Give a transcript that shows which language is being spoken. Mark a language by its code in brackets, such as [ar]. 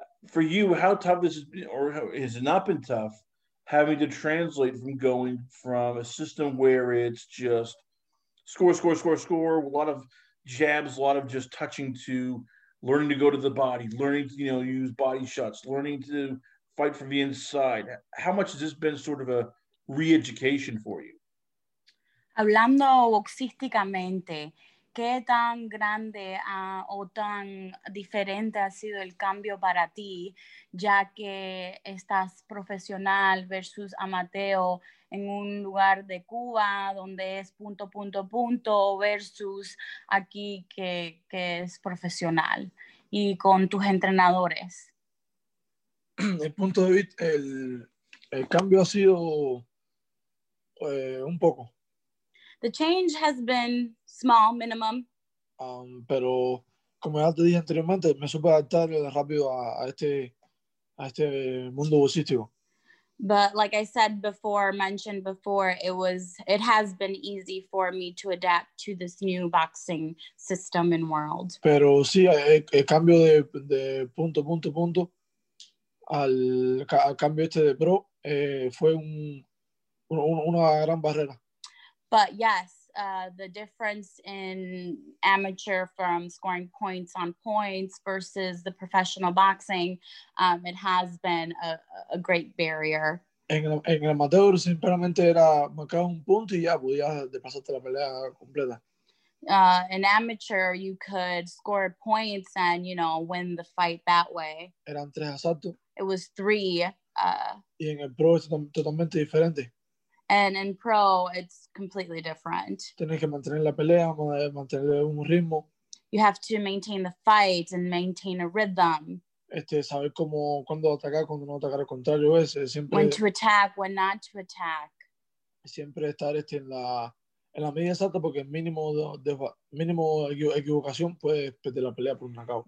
[en] For you, how tough this has been, or has it not been tough, having to translate from going from a system where it's just score, a lot of jabs, a lot of just touching, to learning to go to the body, learning to, you know, use body shots, learning to fight from the inside. How much has this been sort of a re-education for you? [es] Hablando boxísticamente, ¿qué tan grande o tan diferente ha sido el cambio para ti, ya que estás profesional versus amateur en un lugar de Cuba donde es punto versus aquí que es profesional y con tus entrenadores? El punto de vista, el cambio ha sido un poco. [en] The change has been small, minimum. [es] Pero como ya te dije anteriormente, me supe adaptar rápido a este mundo boxístico. [en] But like I said before, mentioned before, it has been easy for me to adapt to this new boxing system and world. [es] Pero sí, el cambio de punto al cambio este de pro fue una gran barrera. [en] But yes, the difference in amateur from scoring points on points versus the professional boxing, it has been a great barrier. [es] En el amateur simplemente era marcar un punto y ya podías de pasarte la pelea completa. [en] An amateur, you could score points and, you know, win the fight that way. [es] Eran tres asaltos. [en] It was three. [es] Y en el pro es totalmente diferente. [en] And in pro, it's completely different. [es] Tienes que mantener la pelea, mantener un ritmo. [en] You have to maintain the fight and maintain a rhythm. [es] Saber cómo, cuándo atacar, cuándo no atacar al contrario. Siempre, [en] when to attack, when not to attack. [es] Siempre estar en la medida exacta porque mínimo equivocación puede perder la pelea por un knockout.